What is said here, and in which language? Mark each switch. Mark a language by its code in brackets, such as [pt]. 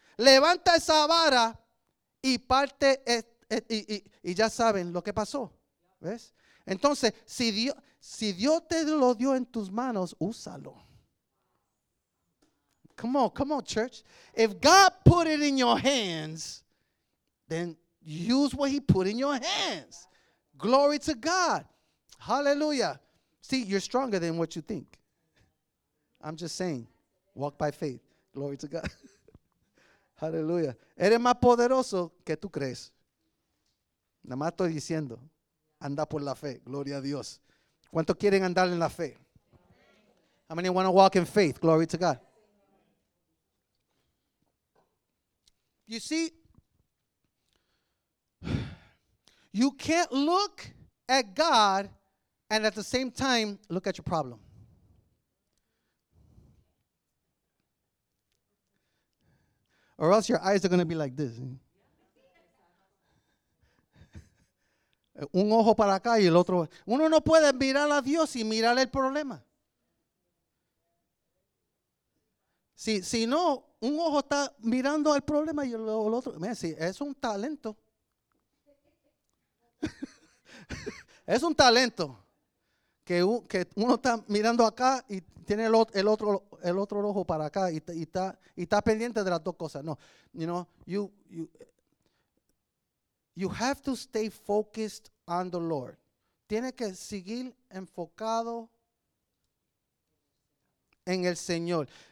[es] Levanta esa vara y parte y ya saben lo que pasó, ¿ves? Entonces, si Dios te lo dio en tus manos, úsalo. [en] Come on, church. If God put it in your hands, then use what he put in your hands. Glory to God. Hallelujah. See, you're stronger than what you think. I'm just saying, walk by faith. Glory to God. Hallelujah. [es] Eres más poderoso que tú crees. Nada más estoy diciendo, anda por la fe. Gloria a Dios. ¿Cuántos quieren andar en la fe? [en] How many want to walk in faith? Glory to God. You see, you can't look at God and at the same time look at your problem. Or else your eyes are going to be like this. [es] Un ojo para acá y el otro. Uno no puede mirar a Dios y mirar el problema. Si no, un ojo está mirando al problema y el otro. Mira, si es un talento. Es un talento. Que uno está mirando acá y tiene el otro ojo para acá y está pendiente de las dos cosas. [en] No, you know, you have to stay focused on the Lord. [es] Tiene que seguir enfocado en el Señor.